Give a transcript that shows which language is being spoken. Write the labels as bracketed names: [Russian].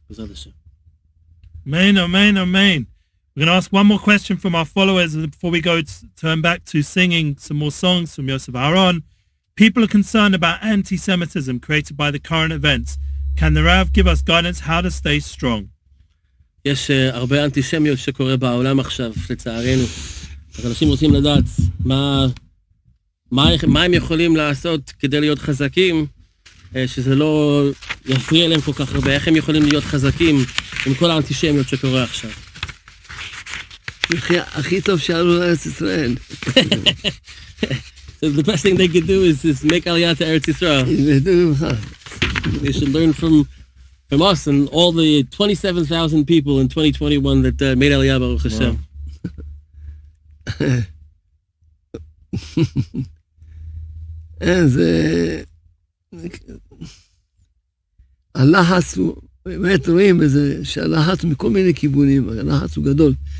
[English] Amen, amen, amen. We're going to ask one more question from our followers before we go to turn back to singing some more songs from Yosef Aharon. People are concerned about anti-Semitism created by the current events. Can the Rav give us guidance how to stay strong? [Hebrew] יש הרבה אנטישמיות שקורה בעולם עכשיו, לצערנו. אז אנשים רוצים לדעת מה הם יכולים לעשות כדי להיות חזקים, שזה לא יפריע להם כל כך הרבה. איך הם יכולים להיות חזקים עם כל האנטישמיות שקורה עכשיו? הכי טוב שעלו לארץ ישראל. [English] The best thing they could do is make Aliyah to Eretz Yisrael. They should learn from us and all the 27,000 people in 2021 that made Aliyah Baruch Hashem. And [Hebrew] הלחץ הוא, באמת רואים איזה, שהלחץ מכל מיני כיוונים, הלחץ הוא גדול.